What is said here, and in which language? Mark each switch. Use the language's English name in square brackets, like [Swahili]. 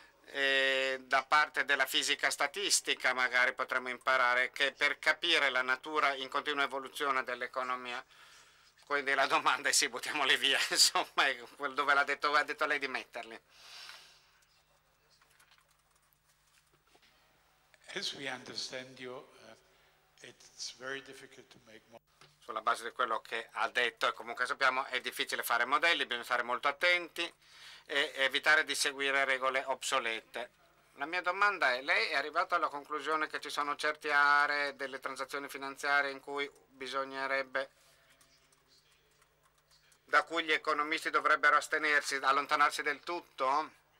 [Italian] E da parte della fisica statistica magari potremmo imparare, che per capire la natura in continua evoluzione dell'economia. Quindi la domanda è sì, buttiamoli via, insomma, dove ha detto lei di metterli. [English] As we understand you, it's very difficult to make models. [Italian] Sulla base di quello che ha detto, e comunque sappiamo, è difficile fare modelli, bisogna stare molto attenti e evitare di seguire regole obsolete. La mia domanda è, lei è arrivato alla conclusione che ci sono certe aree delle transazioni finanziarie in cui bisognerebbe, da cui gli economisti dovrebbero astenersi, allontanarsi del tutto?